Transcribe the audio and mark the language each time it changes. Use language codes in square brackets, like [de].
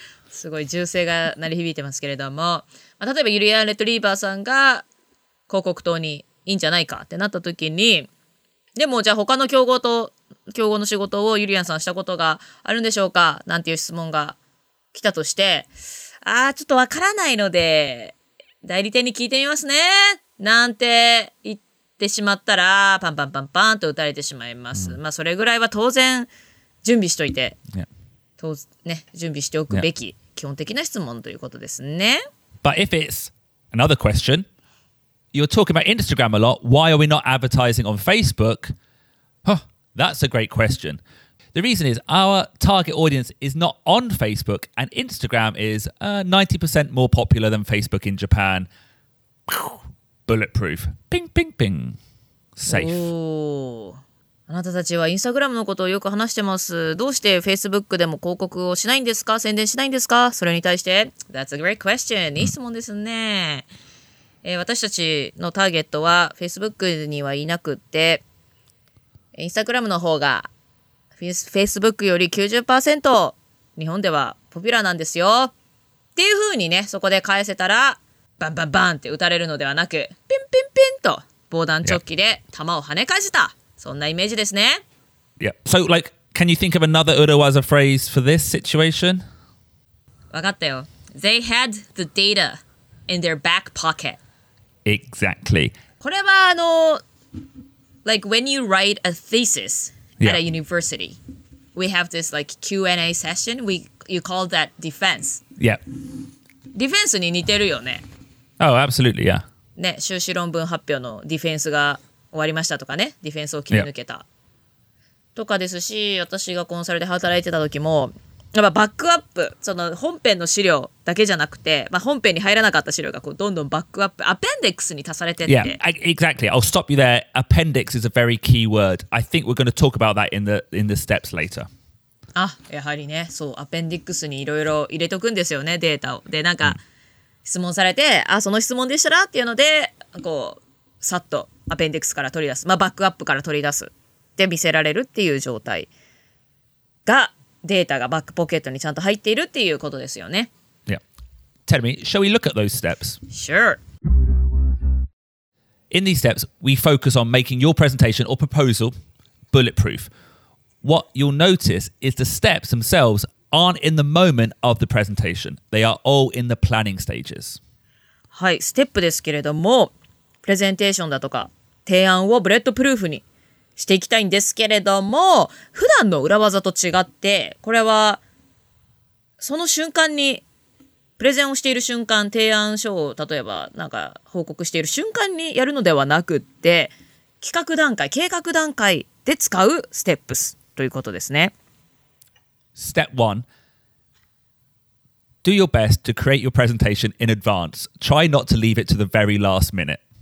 [ja] すごい銃声が鳴り響いてますけれども、まあ、例えば Julian Retriever さんが広告塔にいいんじゃないかってなった時に、でもじゃあ他の競合と競合の仕事をユリアンさんしたことがあるんでしょうかなんていう質問が来たとして、あーちょっとわからないので代理店に聞いてみますねなんて言ってしまったら、パンパンパンパンと打たれてしまいます、まあそれぐらいは当然準備しといて、ね、準備しておくべき基本的な質問ということですね。 [en] But if it's another question, you're talking about Instagram a lot, why are we not advertising on Facebook? Huh That's a great question. The reason is our target audience is not on Facebook, and Instagram is 90% more popular than Facebook in Japan. Bulletproof. Ping, ping, ping. Safe. [ja] あなたたちはインスタグラムのことをよく話してます。どうしてフェイスブックでも広告をしないんですか？宣伝しないんですか？それに対して、 [en] That's a great question. [ja] いい質問ですね。私たちのターゲットはフェイスブックにはいなくって、インスタグラムの方がフェイスブックより 90% 日本ではポピュラーなんですよ。っていう風にね、そこで返せたら、バンバンバンって打たれるのではなく、ピンピンピンと防弾チョッキで弾を跳ね返した。そんなイメージですね。 [en] Yeah. So, like, can you think of another Urawaza phrase for this situation? [ja] わかったよ。 [en] They had the data in their back pocket. Exactly. [ja] これはあの、 [en] like, when you write a thesis at a university, we have this, like, Q&A session. You call that defense. Yeah. [ja] Defense に似てるよね。 [en] Oh, absolutely, yeah. [ja] ね、修士論文発表のディフェンスが終わりましたとかね、ディフェンスを切り抜けた、yeah. とかですし、私がコンサルで働いてた時もやっぱバックアップ、その本編の資料だけじゃなくて、まあ、本編に入らなかった資料がこうどんどんバックアップ、アペンデックスに足されてって、 [en] yeah. Exactly. I'll stop you there. Appendix is a very key word. I think we're going to talk about that in the steps later. [ja] あ、やはりね、そう、アペンデックスにいろいろ入れとくんですよね、データを。で、なんか、質問されて、あ、その質問でしたらっていうので、こうさっとアペンデックスから取り出す、まあ、バックアップから取り出すって見せられるっていう状態が、データがバックポケットにちゃんと入っているっていうことですよね。 [en] Yeah. Tell me, shall we look at those steps? Sure. In these steps, we focus on making your presentation or proposal bulletproof. What you'll notice is the steps themselves aren't in the moment of the presentation. They are all in the planning stages. [ja] はい、ステップですけれども、プレゼンテーションだとか提案をブレットプルーフにしていきたいんですけれども、普段の裏技と違って、これはその瞬間にプレゼンをしている瞬間、提案書を例えばなんか報告している瞬間にやるのではなくって、企画段階、計画段階で使うステップスということですね。 [en] Step 1. Do your best to create your presentation in advance. Try not to leave it to the very last minute